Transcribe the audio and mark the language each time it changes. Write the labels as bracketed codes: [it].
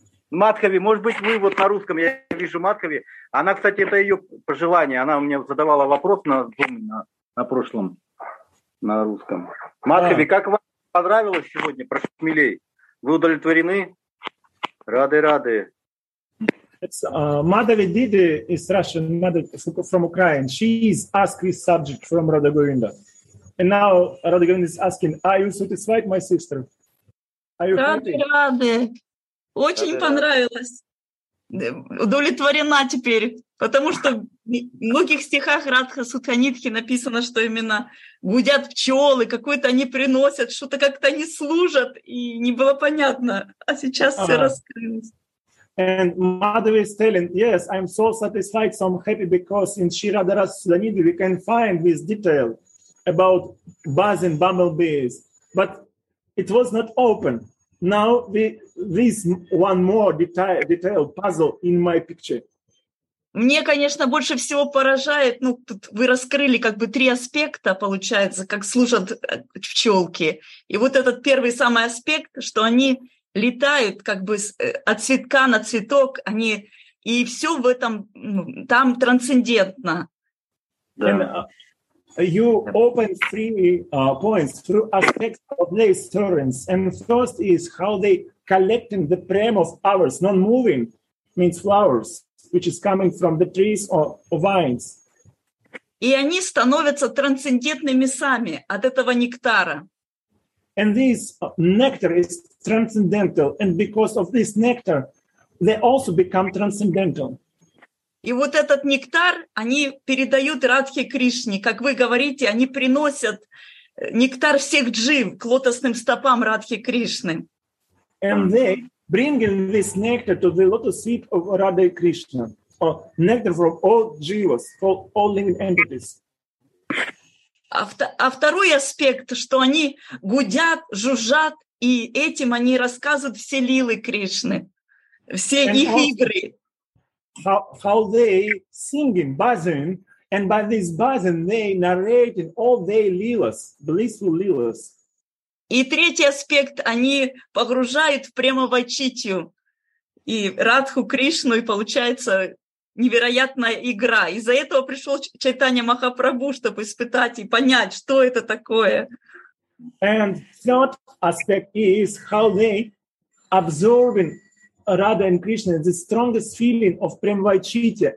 [ru] Матхави, может быть, вы вот на русском, я вижу Матхави. Она, кстати, это ее пожелание. Она мне задавала вопрос на прошлом, на русском. Матхави, как вам понравилось сегодня про шмелей? Вы удовлетворены? Rade, rade. [en] It's Madhavi Didi is Russian, Madhavi from Ukraine. She is asking this subject from Radha Govinda. And now Radha Govinda is asking, are you satisfied, my sister? Are you happy? [ru] Rade, очень понравилось. Удовлетворена теперь, потому что в многих стихах Радха Судханидхи написано, что именно гудят пчелы, какой-то они приносят, что-то как-то они служат, и не было понятно. А сейчас все раскрылось. [en] And Madhavi is telling, yes, I'm so satisfied, so I'm happy, because in Shri Radha Sudhanidhi we can find this detail about buzzing bumblebees. But it was not open. Now this one more detail puzzle in my picture. [ru] Мне, конечно, больше всего поражает, ну, тут вы раскрыли как бы три аспекта, получается, как служат пчелки. И вот этот первый самый аспект, что они летают как бы от цветка на цветок, они, и все в этом, там трансцендентно. Да. [en] And, you open three points, three aspects of their stories. And first is how they collecting the prem of flowers, non-moving means flowers, which is coming from the trees or vines. [ru] И они становятся трансцендентными сами от этого нектара. [en] And this nectar is transcendental, and because of this nectar, they also become transcendental. [ru] И вот этот нектар они передают Радхе Кришне. Как вы говорите, они приносят нектар всех джив к лотосным стопам Радхи Кришны. [en] And they bring in this nectar to the lotus feet of Radha Krishna, or nectar from all jivas, for all living entities. [ru] А второй аспект, что они гудят, жужжат, и этим они рассказывают все лилы Кришны, все [en] and [ru] их [en] also, [ru] игры. [en] How they singing, buzzing, and by this buzzing they narrating all their lilas, blissful lilas. [ru] И третий аспект, они погружают прямо в Ачитью и Радху Кришну, и получается невероятная игра. Из-за этого пришел Чайтанья Махапрабху, чтобы испытать и понять, что это такое. [en] And third aspect is how they absorbing Radha and Krishna, the strongest feeling of Premvaichitya.